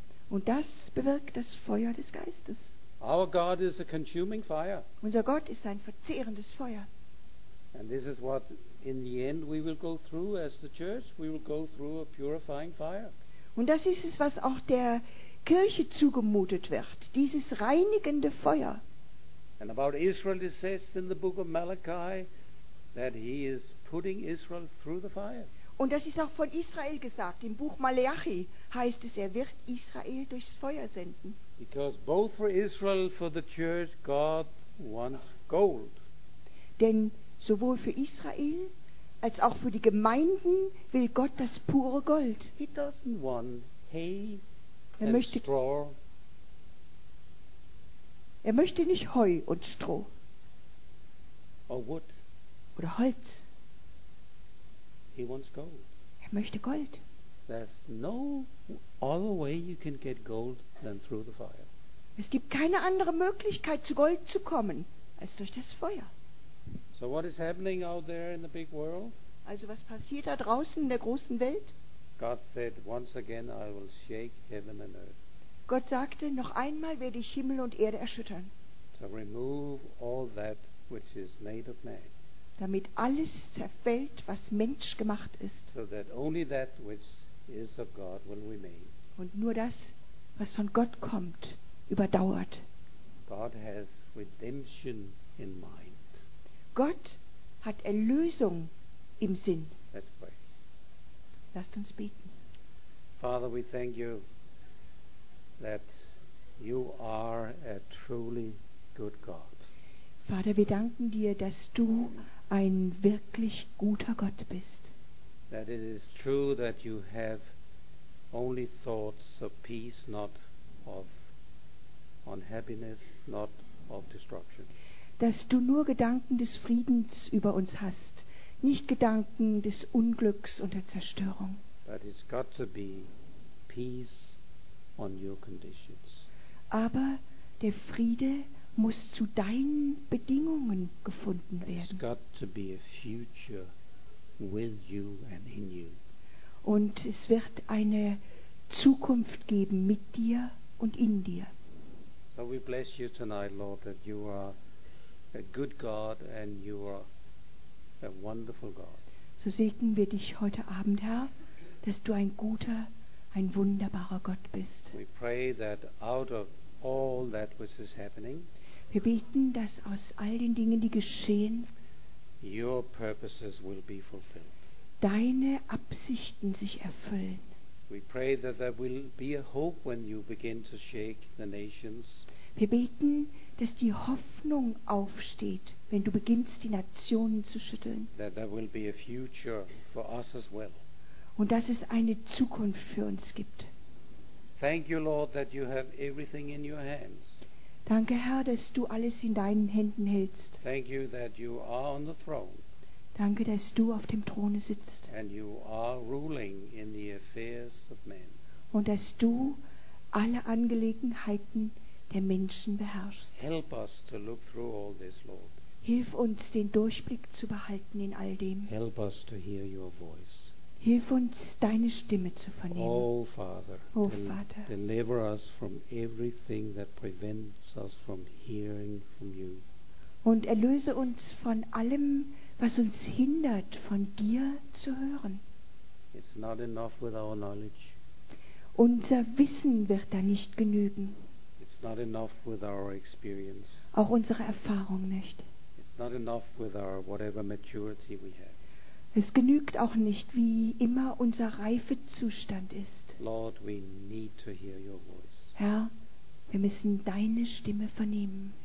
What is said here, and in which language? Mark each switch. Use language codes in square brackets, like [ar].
[de] Und das bewirkt das Feuer des Geistes. [en] Our God is a consuming fire. [de] Unser Gott ist ein verzehrendes Feuer. [en] And this is what in the end we will go through as the church, we will go through a purifying fire. [de] Und das ist es, was auch der Kirche zugemutet wird, dieses reinigende Feuer. [en] And about Israel it says in the book of Malachi that he is putting Israel through the fire. [de] Und das ist auch von Israel gesagt, im Buch Maleachi heißt es, er wird Israel durchs Feuer senden. [en] Because both for Israel for the church God wants gold. [de] Denn sowohl für Israel als auch für die Gemeinden will Gott das pure Gold. [en] He doesn't want hay and straw. [de] Er möchte nicht Heu und Stroh. [en] Or wood. [de] Oder Holz. [en] He wants gold. [de] Er möchte Gold. [en] There's no other way you can get gold than through the fire. [de] Es gibt keine andere Möglichkeit, zu Gold zu kommen, als durch das Feuer. [en] So what is happening out there in the big world? [de] Also was passiert da draußen in der großen Welt? [en] God said, once again I will shake heaven and earth. [de] Gott sagte, noch einmal werde ich Himmel und Erde erschüttern. [en] To remove all that which is made of man. [de] Damit alles zerfällt, was Mensch gemacht ist. [en] So that only that which is of God will remain. [de] Und nur das, was von Gott kommt, überdauert. [en] God has redemption in mind. [de] Gott hat Erlösung im Sinn. [en] Let's pray. [de] Lasst uns beten. [en] Father, we thank you that you are a truly good God. [de] Vater, wir danken dir, dass du ein wirklich guter Gott bist. [en] That it is true that you have only thoughts of peace, not of unhappiness, not of destruction. [de] Dass du nur Gedanken des Friedens über uns hast, nicht Gedanken des Unglücks und der Zerstörung. [en] But it's got to be peace on your conditions. [de] Aber der Friede muss zu deinen Bedingungen gefunden werden. [en] It's got to be a future with you and in you. [de] Und es wird eine Zukunft geben mit dir und in dir. [en] So we bless you tonight, Lord, that you are a good God and you are a wonderful God. [de] So segnen wir dich heute Abend, Herr, dass du ein guter, ein wunderbarer Gott bist. [en] We pray that out of all that which is happening, [de] wir beten, dass aus all den Dingen, die geschehen, [en] your purposes will be fulfilled. [de] Deine Absichten sich erfüllen. [en] We pray that there will be a hope when you begin to shake the nations. [de] Wir beten, dass die Hoffnung aufsteht, wenn du beginnst, die Nationen zu schütteln. [en] That there will be a future for us as well. [de] Und dass es eine Zukunft für uns gibt. [en] Thank you, Lord, that you have everything in your hands. [de] Danke, Herr, dass du alles in deinen Händen hältst. [en] Thank you that you are on the throne. [de] Danke, dass du auf dem Throne sitzt. [en] And you are ruling in the affairs of men. [de] Und dass du alle Angelegenheiten der Menschen beherrscht. [en] Help us to look through all this, Lord. [de] Hilf uns, den Durchblick zu behalten in all dem. [en] Help us to hear your voice. [de] Hilf uns, deine Stimme zu vernehmen. [en] Oh Father, [de] oh, Vater, [en] deliver us from everything that prevents us from hearing from you. [de] Und erlöse uns von allem, was uns hindert, von dir zu hören. [en] It's not enough with our knowledge. [de] Unser Wissen wird da nicht genügen. [en] It's not enough with our experience. [de] Auch unsere Erfahrung nicht. [en] It's not enough with our whatever maturity we have. [de] Es genügt auch nicht, wie immer unser Reifezustand ist. [en] Lord, we need to hear your voice. [de] Herr, wir müssen deine Stimme vernehmen.